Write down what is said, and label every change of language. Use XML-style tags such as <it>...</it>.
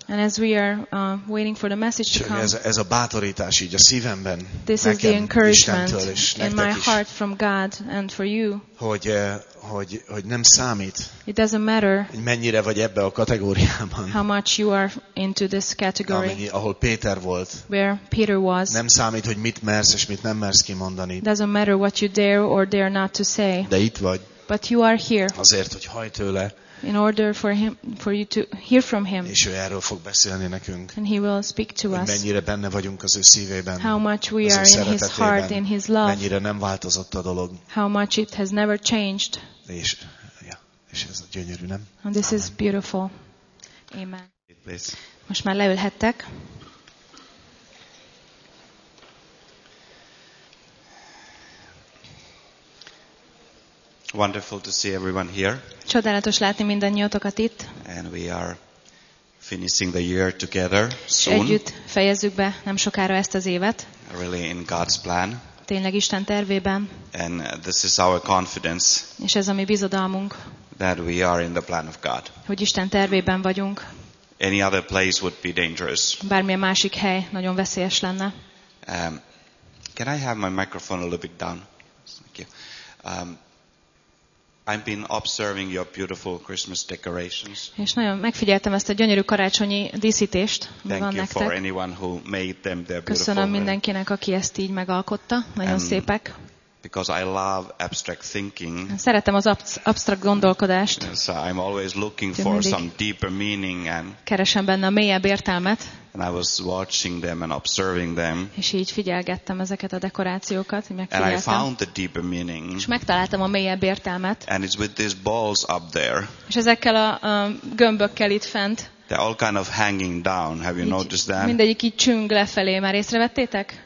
<en>And as we are waiting for the message to come.</en> <hu>Ez a bátorítás így a szívemben.</hu> <en>This</en> <hu>nekem,</hu> <en>is the encouragement in my</en> <hu>is.</hu> <en>Heart from God and for you.</en> <hu>Hogy nem számít.</hu> <en>It doesn't matter.</en> <hu>Hogy mennyire vagy ebbe a kategóriában.</hu> <en>How much you are into this category.</en> <hu>Amennyi, ahol Péter volt.</hu> <en>Where Peter was.</en> <hu>Nem számít, hogy mit mersz és mit nem mersz kimondani.</hu> <en>It doesn't matter what you dare or dare not to say.</en> <hu>De itt vagy.</hu> <en>But you are here.</en> <hu>Azért, hogy hallj tőle.</hu> <en>In order for him, for you to hear from him.</en> <hu>És ő erről fog beszélni nekünk.</hu> <en>And he will speak to</en> <hu>hogy</hu> <en>us.</en> <hu>Mennyire benne vagyunk az ő szívében.</hu> <en>How much we are in his heart, in his love.</en> <hu>Mennyire nem változott a dolog.</hu> <en>How much it has never changed.</en> <hu>És ez gyönyörű, nem?</hu> <en>And this is beautiful. Amen. Please.</en> <hu>Most már leülhettek.</hu> <en>Wonderful to see everyone here.</en> <hu>Csodálatos látni mindannyiótokat itt.</hu> <en>And we are finishing the year together soon.</en> <hu>Együtt fejezzük be nem sokára ezt az évet.</hu> <en>Really in God's plan.</en> <hu>Tényleg Isten tervében.</hu> <en>And this is our confidence.</en> <hu>És ez a mi bizodalmunk.</hu> <en>That we are in the plan of God.</en> <hu>Hogy Isten tervében vagyunk.</hu> <en>Any other place would be dangerous.</en> <hu>Bármilyen másik hely nagyon veszélyes lenne.</hu> <en>Can I have my microphone a little bit down? Thank you. I've been observing your beautiful Christmas decorations.</en> <hu>És nagyon megfigyeltem ezt a gyönyörű karácsonyi díszítést, mi van nektek.</hu> <en>Thank you for anyone who made them. They're beautiful.</en> <hu>Köszönöm mindenkinek, aki ezt így megalkotta. Nagyon szépek.</hu> <en>Because I love abstract thinking.</en> <hu>Szeretem az abstrakt gondolkodást.</hu> <en>So I'm always looking for some deeper meaning and.</en> <hu>Keresem benne a mélyebb értelmet.</hu> <en>And I was watching them and observing them.</en> <hu>És így figyelgettem ezeket a dekorációkat, így megfigyeltem.</hu> <en>And I found the deeper meaning.</en> <hu>És megtaláltam a mélyebb értelmet.</hu> <en>And it's with these balls up there.</en> <hu>És ezekkel a gömbökkel itt fent.</hu> <en>They're all kind of hanging down. Have you noticed that?</en> <hu>Mindegyik így csüng lefelé, már észrevettétek?</hu>